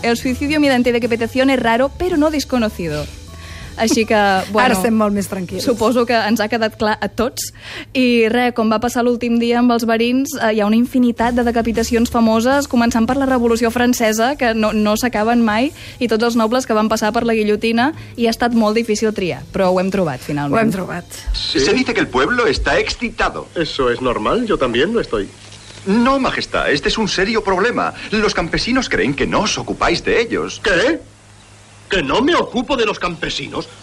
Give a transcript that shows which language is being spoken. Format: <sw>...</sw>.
<es>El suicidio mediante decapitación es raro, pero no desconocido.</es> <ca>Així que, bueno... Ara estem molt més tranquils. Suposo que ens ha quedat clar a tots. I res, com va passar l'últim dia amb els verins, hi ha una infinitat de decapitacions famoses, començant per la Revolució Francesa, que no s'acaben mai, i tots els nobles que van passar per la guillotina, i ha estat molt difícil triar, però ho hem trobat, finalment. Ho hem trobat. Sí.</ca> <es>Se dice que el pueblo está excitado. Eso es normal, yo también lo estoy. No, majestad, este es un serio problema. Los campesinos creen que no os ocupáis de ellos. ¿Qué? Que no me ocupo de los campesinos.</es>